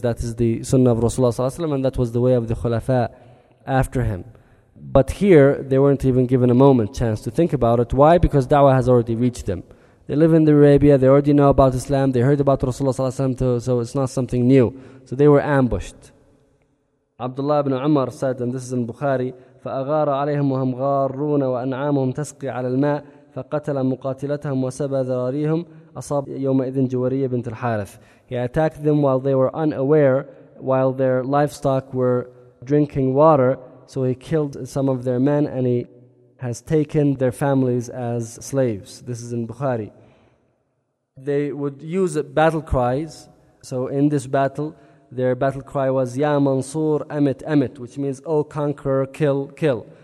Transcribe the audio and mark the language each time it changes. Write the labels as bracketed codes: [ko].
[en] That is the sunnah of Rasulullah sallallahu alaihi wasallam, and that was the way of the khulafa after him. But here, they weren't even given a moment chance to think about it. Why? Because da'wah has already reached them. They live in the Arabia, they already know about Islam, they heard about Rasulullah sallallahu alaihi wasallam, so it's not something new. So they were ambushed. Abdullah ibn Umar said, and this is in Bukhari, [ar] فَأَغَارَ عَلَيْهِمْ وَهَمْ غَارُونَ وَأَنْعَامُهُمْ تَسْقِي عَلَى الْمَاءِ فَقَتَلَ مُقَاتِلَتَهُمْ وَسَبَى ذَرَارِيهُمْ أَصَابْ يَوْمَئِذٍ جُوَرِيَّ بِنْتِ الْحَارِثِ. [en] He attacked them while they were unaware, while their livestock were drinking water, so he killed some of their men and he has taken their families as slaves. This is in Bukhari. They would use battle cries. So in this battle, their battle cry was Ya Mansur Amit Amit, which means O conqueror, kill, kill.